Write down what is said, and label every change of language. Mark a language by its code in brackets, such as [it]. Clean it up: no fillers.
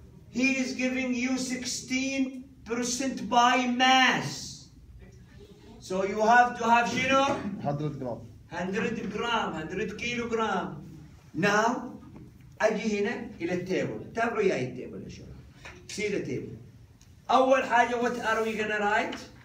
[en] He is giving you 16% by mass. So you have to have شنو؟ 100 gram. 100 gram, 100 kilogram. [ar] Now أجي هنا إلى التابل. تابعوا ياي التابل إن شاء الله. [en] See the table. [ar] أول حاجة [en] what are we gonna write?